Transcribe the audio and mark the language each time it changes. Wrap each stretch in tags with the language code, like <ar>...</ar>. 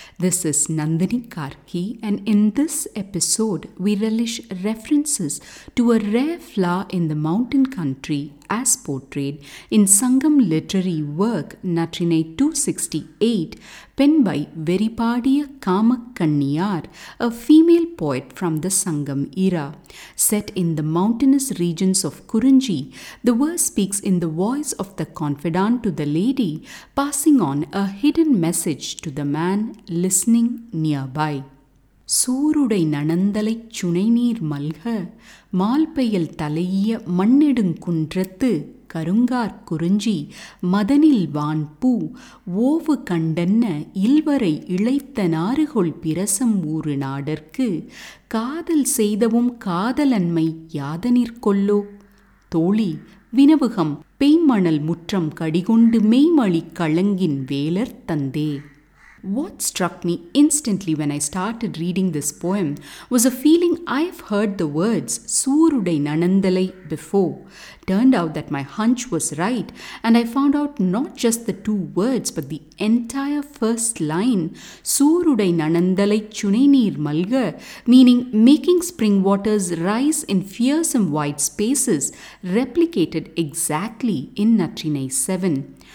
<en>This is Nandini Karki, and in this episode, we relish references to a rare flower in the mountain country as portrayed in Sangam literary work Natrinai 268, penned by Veripaadiya Kaamakkanniyaar, a female poet from the Sangam era. Set in the mountainous regions of Kurinji, the verse speaks in the voice of the confidante to the lady, passing on a hidden message to the man listening nearby.</en> <ta>சூருடை நனந்தலை சுனைநீர் மல்க மால்பயல் தலைய மண்ணெடுங்குன்றத்து கருங்கார்குறிஞ்சி மதனில் வான் பூ ஓவு கண்டன்ன இல்வரை இழைத்த நாறுகொள் பிரசம் ஊறு நாடற்கு காதல் செய்தவும் காதலன்மை யாதனிற்கொள்ளோ தோழி வினவுகம் பெய்மணல் முற்றம் கடிகொண்டு மெய்மழி களங்கின் வேலர் தந்தே.</ta> <en>What struck me instantly when I started reading this poem was a feeling I've heard the words Soorudai Nanandalai before. Turned out that my hunch was right, and I found out not just the two words but the entire first line Soorudai Nanandalai Chuneneer Malga, meaning making spring waters rise in fearsome white spaces, replicated exactly in Natrinai 7.</en>